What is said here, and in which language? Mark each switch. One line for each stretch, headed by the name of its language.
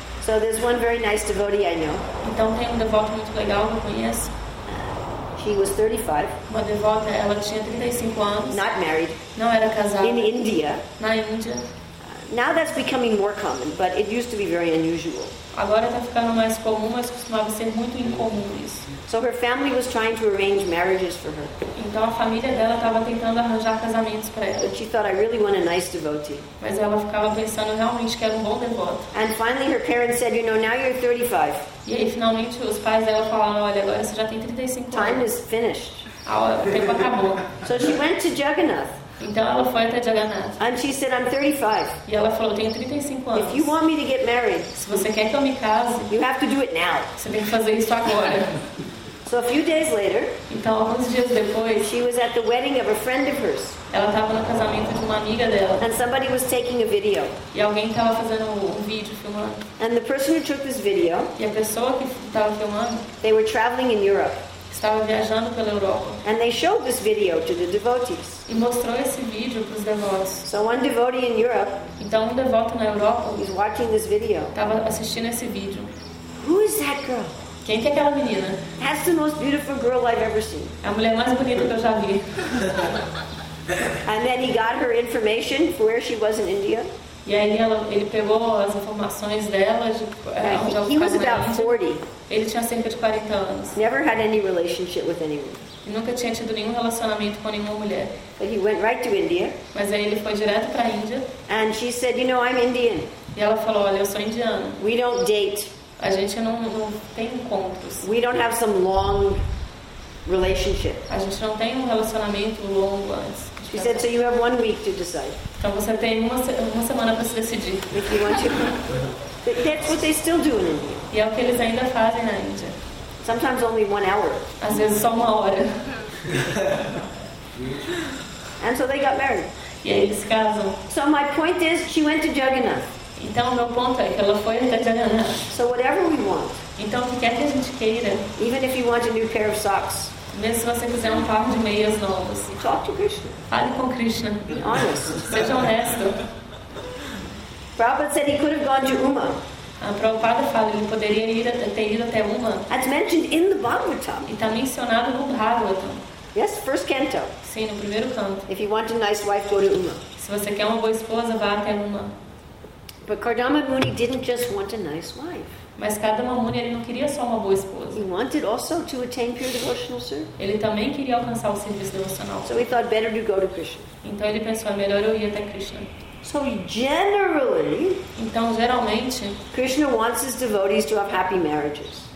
English: So there's one very nice devotee I know.
Portuguese: Então tem devoto muito legal que eu conheço.
English: She was 35.
Portuguese: Uma devota, ela tinha 35 anos.
English: Not married.
Portuguese: Não era casada.
English: In India.
Portuguese: Na Índia.
English: Now that's becoming more common, but it used to be very unusual.
Portuguese: Agora está ficando mais comum, mas costumava ser muito incomum isso.
English: So her family was trying to arrange marriages for her.
Portuguese: Então a família dela estava tentando arranjar casamentos para ela.
English: But she thought, I really want a nice devotee.
Portuguese: Mas ela ficava pensando, realmente quero um bom devoto.
English: And finally her parents said, you know, now you're 35.
Portuguese: E aí finalmente os pais dela falaram, olha, agora você já tem 35
English: time
Portuguese: anos.
English: Time is finished.
Portuguese: O tempo acabou.
English: So she went to Jagannath.
Portuguese: Então ela foi até Jagannath.
English: And she said, I'm 35.
Portuguese: E ela falou, tenho 35 anos.
English: If you want me to get married,
Portuguese: se você quer que eu me case,
English: you have to do it now.
Portuguese: Você tem que fazer isso agora.
English: So a few days later,
Portuguese: então alguns dias depois,
English: she was at the wedding of a friend of hers.
Portuguese: Ela estava no casamento de uma amiga dela.
English: And somebody was taking a video.
Portuguese: E alguém estava fazendo um vídeo filmando.
English: And the person who took this video,
Portuguese: e a pessoa que estava filmando,
English: they were traveling in Europe.
Portuguese: Estava viajando pela Europa.
English: And they showed this video to the devotees.
Portuguese: E mostrou esse vídeo para os devotos.
English: So one devotee in Europe.
Portuguese: Então um devoto na Europa.
English: Is watching this video.
Portuguese: Estava assistindo esse vídeo.
English: Who is that girl?
Portuguese: Quem que é aquela menina?
English: That's the most beautiful girl I've ever seen.
Portuguese: É a mulher mais bonita que eu já vi.
English: And then he got her information for where she was in India.
Portuguese: E aí ele pegou as informações dela de
English: He was about 40.
Portuguese: Ele tinha cerca de 40 anos.
English: Never had any relationship with anyone.
Portuguese: E nunca tinha tido nenhum relacionamento com nenhuma mulher.
English: But he went right to India.
Portuguese: Mas aí ele foi direto para a Índia.
English: And she said, "You know, I'm Indian."
Portuguese: E ela falou, "Olha, eu sou indiana."
English: We don't date.
Portuguese: A gente não tem encontros.
English: We don't have some long relationship.
Portuguese: A gente não tem um relacionamento longo antes.
English: She said, "So you have 1 week to decide."
Portuguese: Então você tem uma semana para se decidir.
English: If you want to. That's what they still do in India.
Portuguese: E é o que eles ainda fazem na Índia.
English: Sometimes only 1 hour.
Portuguese: Às vezes só uma hora.
English: And so they got married.
Portuguese: E aí eles casam.
English: So my point is, she went to Jagannath.
Portuguese: Então o meu ponto é que ela foi até Jagannath.
English: So whatever we want.
Portuguese: Então o que quer que a gente queira.
English: Even if you want a new pair of socks.
Portuguese: Mesmo se você quiser par de meias novas.
English: Talk to Krishna.
Portuguese: Fale com Krishna.
English: Be honest.
Portuguese: Seja honesto.
English: Prabhupada said he could have gone to Uma.
Portuguese: Prabhupada fala, ele poderia ter ido até Uma.
English: That's mentioned in the Bhagavatam.
Portuguese: E está mencionado no Bhagavatam.
English: Yes, first canto.
Portuguese: Sim, no primeiro canto.
English: If you want a nice wife, go to Uma.
Portuguese: Se você quer uma boa esposa, vá até Uma.
English: But Kardama Muni didn't just want a nice wife.
Portuguese: Mas Kardama Muni ele não queria só uma boa esposa.
English: He wanted also to attain pure devotional service.
Portuguese: Ele também queria alcançar o serviço devocional.
English: So he thought better to go to Krishna.
Portuguese: Então ele pensou, é melhor eu ir até Krishna.
English: So generally,
Portuguese: então geralmente,
English: Krishna wants his devotees to have happy marriages.